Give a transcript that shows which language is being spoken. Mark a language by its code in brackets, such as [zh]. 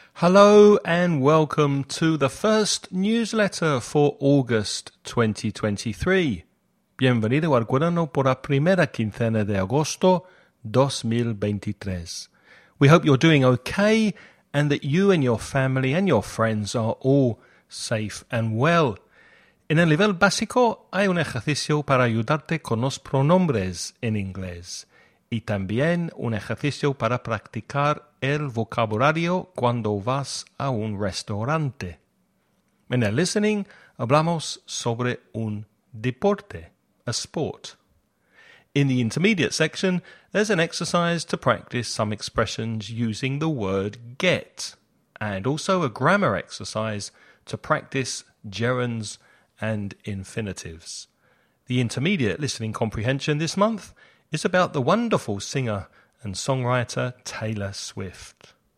[en] Hello and welcome to the first newsletter for August 2023. [es] Bienvenido al cuaderno por la primera quincena de agosto 2023. [en] We hope you're doing okay and that you and your family and your friends are all safe and well. [es] En el nivel básico hay un ejercicio para ayudarte con los pronombres en inglés. Y también un ejercicio para practicar el vocabulario cuando vas a un restaurante. En el listening hablamos sobre un deporte, [en] a sport. In the intermediate section, there's an exercise to practice some expressions using the word get, and also a grammar exercise to practice gerunds and infinitives. The intermediate listening comprehension this month is about the wonderful singer and songwriter Taylor Swift.